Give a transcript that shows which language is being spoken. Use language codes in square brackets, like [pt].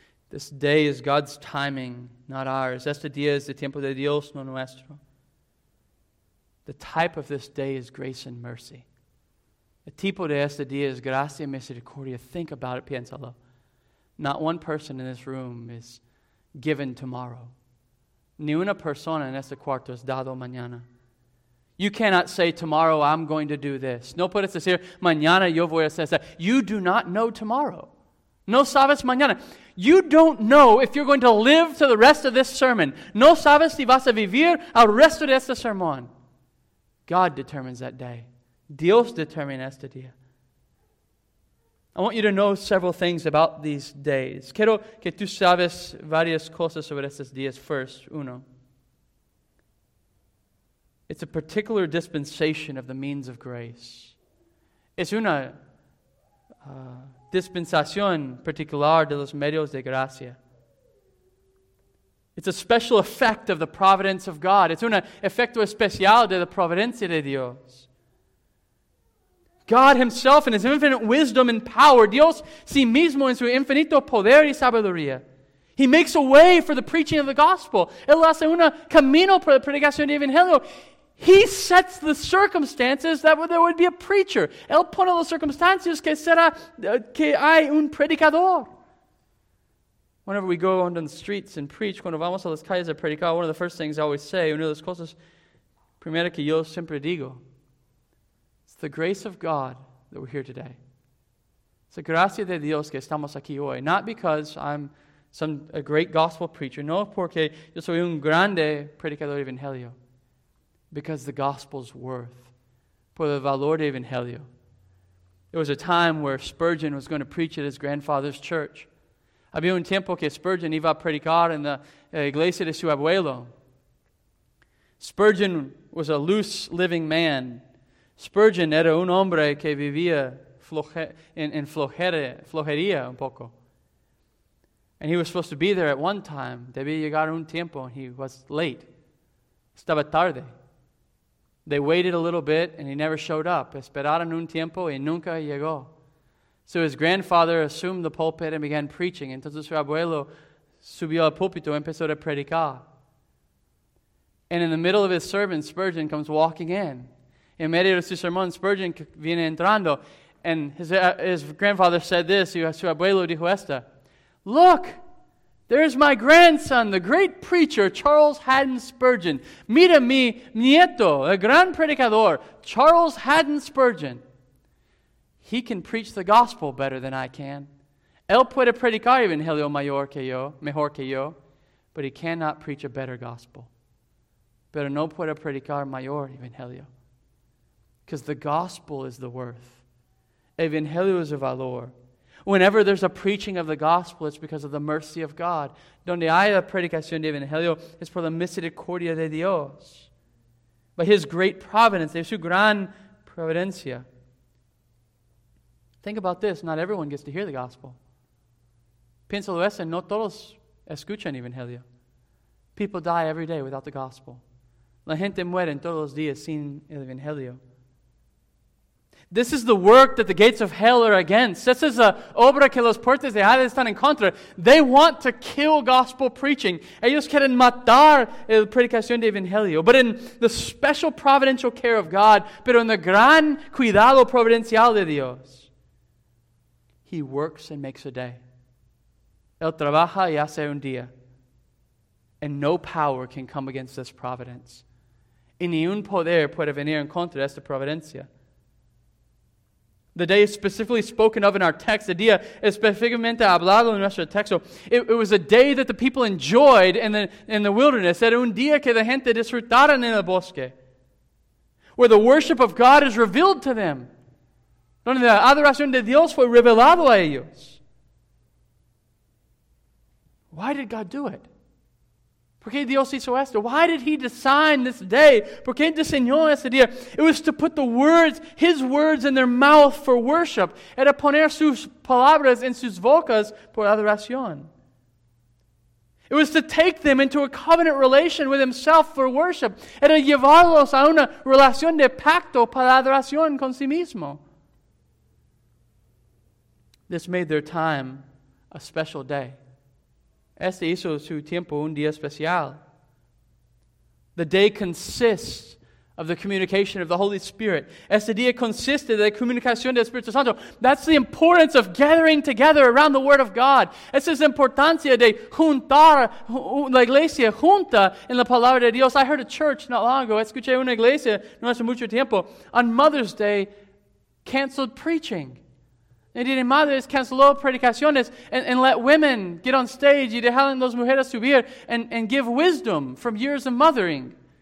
[en] This day is God's timing, not ours. [es] Este día es el tiempo de Dios, no nuestro. [en] The type of this day is grace and mercy. [es] El tipo de este día es gracia y misericordia. [en] Think about it, [es] piénsalo. [en] Not one person in this room is given tomorrow. [es] Ni una persona en este cuarto es dado mañana. [en] You cannot say, tomorrow I'm going to do this. [es] No puedes decir, mañana yo voy a hacer esto. [en] You do not know tomorrow. [es] No sabes mañana. [en] You don't know if you're going to live to the rest of this sermon. [es] No sabes si vas a vivir al resto de este sermón. [en] God determines that day. [es] Dios determina este día. [en] I want you to know several things about these days. [es] Quiero que tú sabes varias cosas sobre estos días. [en] First, uno. It's a particular dispensation of the means of grace. [es] Es una dispensación particular de los medios de gracia. [en] It's a special effect of the providence of God. It's [es] un efecto especial de la providencia de Dios. [en] God Himself in His infinite wisdom and power, [es] Dios sí mismo en su infinito poder y sabiduría, [en] He makes a way for the preaching of the gospel. [es] Él hace un camino para la predicación del Evangelio. [en] He sets the circumstances that there would be a preacher. [es] Él pone las circunstancias que será que hay un predicador. [en] Whenever we go on the streets and preach, [es] cuando vamos a las calles a predicar, [en] one of the first things I always say, [es] una de las cosas primera que yo siempre digo, [en] it's the grace of God that we're here today. It's the [es] gracia de Dios que estamos aquí hoy. [en] Not because I'm a great gospel preacher, [es] no porque yo soy un grande predicador de Evangelio. [en] Because the gospel's worth, [es] por el valor de Evangelio. [en] There was a time where Spurgeon was going to preach at his grandfather's church. [es] Había un tiempo que Spurgeon iba a predicar en la iglesia de su abuelo. [en] Spurgeon was a loose living man. [es] Spurgeon era un hombre que vivía flojería un poco. [en] And he was supposed to be there at one time. [es] Debía llegar un tiempo [en] and he was late. [es] Estaba tarde. [en] They waited a little bit and he never showed up. [es] Esperaron un tiempo y nunca llegó. [en] So his grandfather assumed the pulpit and began preaching. [es] Entonces su abuelo subió al púlpito y empezó a predicar. [en] And in the middle of his sermon, Spurgeon comes walking in. [es] En medio de su sermón, Spurgeon viene entrando. [en] And his grandfather said this, [es] y su abuelo dijo esta. [en] Look, There's my grandson, the great preacher, Charles Haddon Spurgeon. [es] Mira mi nieto, el gran predicador, Charles Haddon Spurgeon. [en] He can preach the gospel better than I can. [es] Él puede predicar el evangelio mejor que yo, [en] but he cannot preach a better gospel. [es] Pero no puede predicar mayor evangelio. [en] Because the gospel is the worth. [es] Evangelio es el valor. [en] Whenever there's a preaching of the gospel, it's because of the mercy of God. [es] Donde hay la predicación de evangelio, es por la misericordia de Dios. [en] By his great providence, [es] de su gran providencia. [en] Think about this. Not everyone gets to hear the gospel. [es] Piénsalo ese. No todos escuchan evangelio. [en] People die every day without the gospel. [es] La gente muere todos los días sin el evangelio. [en] This is the work that the gates of hell are against. This is a [es] obra que los puertas de Hades están en contra. [en] They want to kill gospel preaching. [es] Ellos quieren matar la predicación de evangelio. [en] But in the special providential care of God, [es] pero en el gran cuidado providencial de Dios, [en] he works and makes a day. [es] Él trabaja y hace un día. [en] And no power can come against this providence. [es] Y ni un poder puede venir en contra de esta providencia. [en] The day is specifically spoken of in our text. [es] The día específicamente hablado en nuestro texto. [en] It was a day that the people enjoyed in the wilderness. [es] Era un día que la gente disfrutaron en el bosque. [en] Where the worship of God is revealed to them. [es] Donde la adoración de Dios fue revelado a ellos. [en] Why did God do it? [es] ¿Por qué Dios hizo esto? [en] Why did he design this day? [es] ¿Por qué diseñó este día? [en] It was to put the words, his words in their mouth for worship. [es] Era poner sus palabras en sus bocas por adoración. [en] It was to take them into a covenant relation with himself for worship. [es] Era llevarlos a una relación de pacto para adoración con sí mismo. [en] This made their time a special day. [es] Este hizo su tiempo un día especial. [en] The day consists of the communication of the Holy Spirit. [es] Este día consiste de la comunicación del Espíritu Santo. [en] That's the importance of gathering together around the Word of God. [es] Esa es la importancia de juntar la iglesia junta en la palabra de Dios. [en] I heard a church not long ago, [es] escuché una iglesia no hace mucho tiempo, [en] on Mother's Day, canceled preaching. And the mothers canceled predicaciones and let women get on stage [es] y dejaron las mujeres subir [en] and give wisdom from years of mothering.